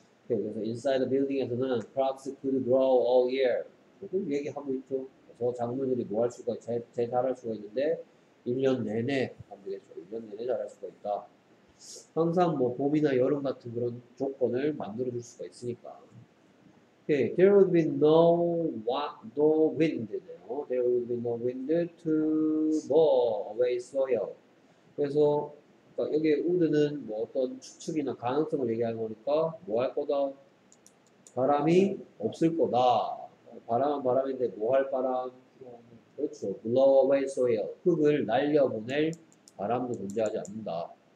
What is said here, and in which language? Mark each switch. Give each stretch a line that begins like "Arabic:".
Korean: 그래서
English: inside the building에서는 crops could grow all year.
Korean: 그걸 얘기하고 있죠. 그래서 작물들이 뭐 할 수가, 제 잘할 수가 있는데 1년 내내 안 되겠죠. 1년 내내 잘할 수가 있다. 항상 뭐 봄이나 여름 같은 그런 조건을 만들어줄 수가 있으니까.
English: Okay, there would be no wind. There would be no wind to blow away soil.
Korean: 그래서 그러니까 여기 우드는 뭐 어떤 추측이나 가능성을 얘기하는 거니까 뭐 할 거다. 바람이 없을 거다. 바람은 바람인데 뭐 할 바람? 그렇죠.
English: Blow away soil.
Korean: 흙을 날려보낼 바람도 존재하지 않는다.